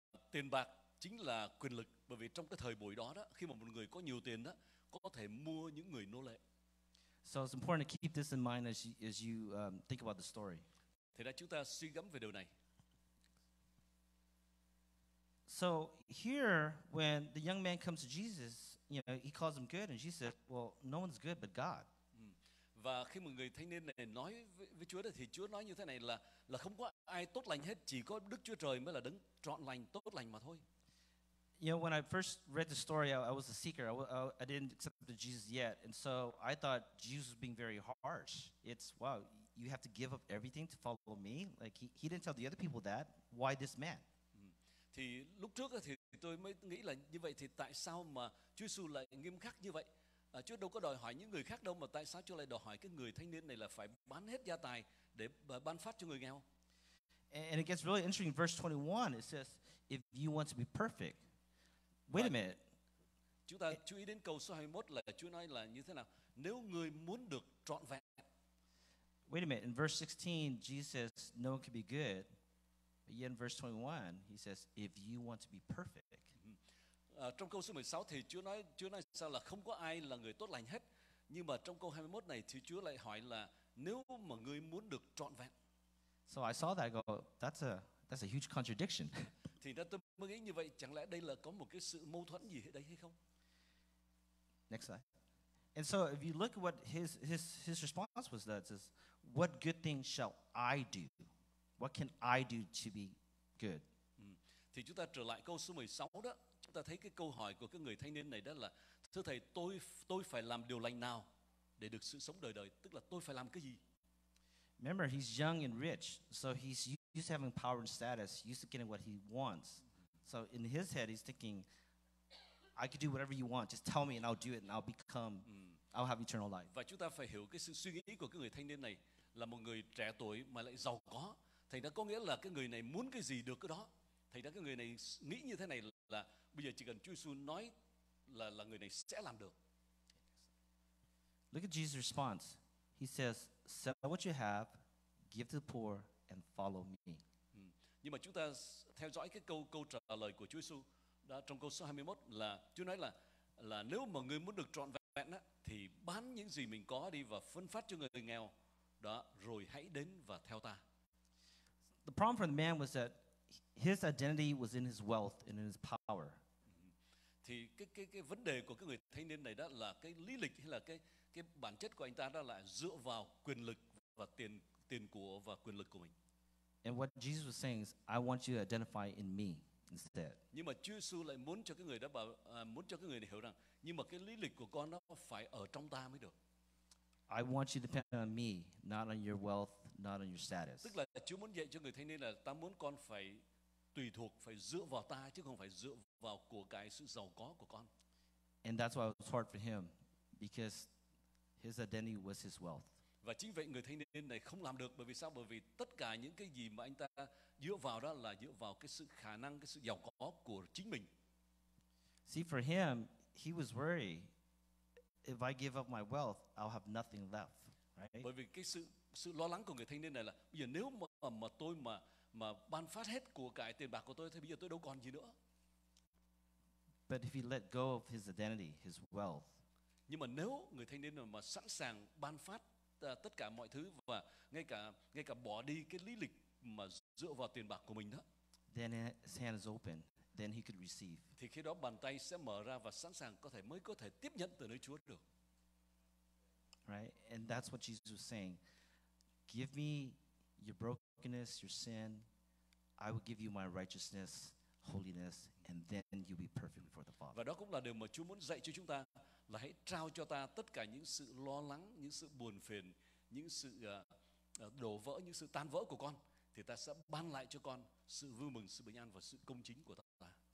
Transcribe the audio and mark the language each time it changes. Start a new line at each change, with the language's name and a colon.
Vietnamese: Tiền bạc chính là quyền lực, bởi vì trong cái thời buổi đó, khi mà một người có nhiều tiền đó, có thể mua những người nô lệ.
English: So it's important to keep this in mind as you think about the story.
Vietnamese: Thế là chúng ta suy gẫm về điều này.
English: So here, when the young man comes to Jesus, you know, he calls him good, and Jesus said, "Well, no one's good but God."
Vietnamese: Và khi mà người thanh niên này nói với Chúa đó, thì Chúa nói như thế này là không có ai tốt lành hết, chỉ có Đức Chúa Trời mới là đấng trọn lành, tốt lành mà thôi.
English: You know, when I first read the story, I was a seeker. I didn't accept Jesus yet. And so I thought Jesus was being very harsh. It's, wow, you have to give up everything to follow me? Like, he didn't tell the other people that. Why this man?
Vietnamese: Thì lúc trước thì tôi mới nghĩ là như vậy, thì tại sao mà Chúa Giêsu lại nghiêm khắc như vậy? Chúa đâu có đòi hỏi những người khác đâu, mà tại sao Chúa lại đòi hỏi cái người thanh niên này là phải bán hết gia tài để ban phát cho người nghèo?
English: And it gets really interesting. Verse 21, it says, "If you want to be perfect." Wait a minute.
Vietnamese: Chúng ta chú ý đến câu số 21 là Chúa nói là như thế nào? Nếu người muốn được trọn vẹn.
English: Wait a minute. In verse 16, Jesus says no one can be good. But yet in verse 21, he says if you want to be perfect.
Vietnamese: Trong câu số 16 thì Chúa nói sao là không có ai là người tốt lành hết. Nhưng mà trong câu 21 này thì Chúa lại hỏi là nếu mà người muốn được trọn vẹn.
English: So I saw that, I go, that's a huge contradiction.
Vietnamese: Thì ta tôi mới nghĩ như vậy, chẳng lẽ đây là có một cái sự mâu thuẫn gì đấy hay không?
English: Next slide. And so if you look at what his response was, that says, "What good thing shall I do? What can I do to be good?"
Vietnamese: Thì chúng ta trở lại câu số 16 đó, chúng ta thấy cái câu hỏi của cái người thanh niên này đó là, "Thưa Thầy, tôi phải làm điều lành nào để được sự sống đời đời?" Tức là tôi phải làm cái gì?
English: Remember, he's young and rich, so he's used to having power and status, used to getting what he wants. So in his head, he's thinking, "I could do whatever you want. Just tell me, and I'll do it, and I'll become, I'll have eternal life."
Vietnamese: Và chúng ta phải hiểu cái sự suy nghĩ của cái người thanh niên này là một người trẻ tuổi mà lại giàu có. Thành ra có nghĩa là cái người này muốn cái gì được cái đó. Thành ra cái người này nghĩ như thế này là bây giờ chỉ cần Chúa Giêsu nói là người này sẽ làm được.
English: Look at Jesus' response. He says, "Sell what you have, give to the poor, and follow me."
Vietnamese: Nhưng mà chúng ta theo dõi cái câu trả lời của Chúa Giêsu đã trong câu số 21 là Chúa nói là nếu mà người muốn được trọn vẹn á, thì bán những gì mình có đi và phân phát cho người nghèo đó, rồi hãy đến và theo ta.
English: The problem for the man was that his identity was in his wealth and in his power.
Vietnamese: Thì cái vấn đề của cái người thanh niên này đó là cái lý lịch hay là cái bản chất của anh ta đó là dựa vào quyền lực và tiền tiền của và quyền lực của mình.
English: And what Jesus was saying is, I want you to identify in me instead.
Vietnamese: Nhưng mà Chúa Giêsu lại muốn cho cái người đó bảo muốn cho cái người này hiểu rằng, nhưng mà cái lý lịch của con nó phải ở trong ta mới được.
English: I want you to depend on me, not on your wealth, not on your status.
Vietnamese: Tức là Chúa muốn dạy cho người thanh niên là ta muốn con phải tùy thuộc, phải dựa vào ta chứ không phải dựa vào của cái sự giàu có của con.
English: And that's why it was hard for him, because his identity was his wealth.
Vietnamese: Và chính vậy người thanh niên này không làm được, bởi vì sao? Bởi vì tất cả những cái gì mà anh ta dựa vào đó là dựa vào cái sự khả năng, cái sự giàu có của chính mình.
English: See, for him, he was worried, if I give up my wealth, I'll have nothing left, right?
Vietnamese: Bởi vì cái sự lo lắng của người thanh niên này là bây giờ nếu mà tôi mà ban phát hết của cải tiền bạc của tôi thì bây giờ tôi đâu còn gì nữa.
English: But if he let go of his identity, his wealth.
Vietnamese: Nhưng mà nếu người thanh niên mà sẵn sàng ban phát tất cả mọi thứ và ngay cả bỏ đi cái lý lịch mà dựa vào tiền bạc của mình đó,
English: then his hand is open, then he could receive.
Vietnamese: Thì khi đó bàn tay sẽ mở ra và sẵn sàng có thể tiếp nhận từ nơi Chúa được.
English: Right, and that's what Jesus was saying. Give me your brokenness, your sin, I will give you my righteousness, holiness, and then you'll be perfect before the Father.
Vietnamese: Và đó cũng là điều mà Chúa muốn dạy cho chúng ta, là hãy trao cho ta tất cả những sự lo lắng, những sự buồn phiền, những sự đổ vỡ, những sự tan vỡ của con, thì ta sẽ ban lại cho con sự vui mừng, sự bình an và sự công chính của ta.